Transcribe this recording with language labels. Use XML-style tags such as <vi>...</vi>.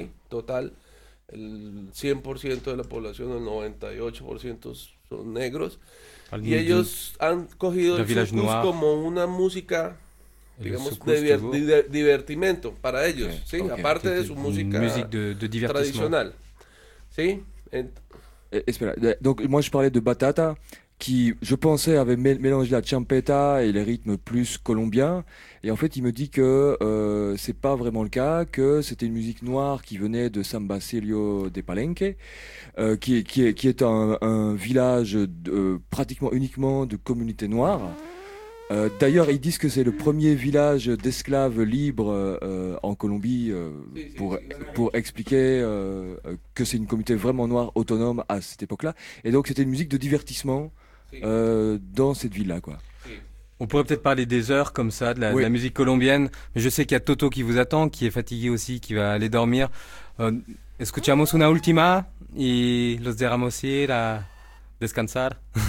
<es>Sí, total, el 100% de la población, el 98% son negros. Y ellos han cogido el soukous como una música, digamos, divertimento para ellos, okay, sí, okay. Aparte de su música de tradicional, sí.</es> <fr>Espera, donc moi je parlais de batata qui, je pensais, avait mélangé la champeta et les rythmes plus colombiens, et en fait il me dit que c'est pas vraiment le cas, que c'était une musique noire qui venait de San Basilio de Palenque, qui est un village pratiquement uniquement de communautés noires. D'ailleurs, ils disent que c'est le premier village d'esclaves libres en Colombie pour expliquer que c'est une communauté vraiment noire autonome à cette époque-là. Et donc, c'était une musique de divertissement dans cette ville-là, quoi. On pourrait peut-être parler des heures comme ça de la musique colombienne. Mais je sais qu'il y a Toto qui vous attend, qui est fatigué aussi, qui va aller dormir.</fr> <es>Escuchamos una última y los dejamos ir a descansar.</es>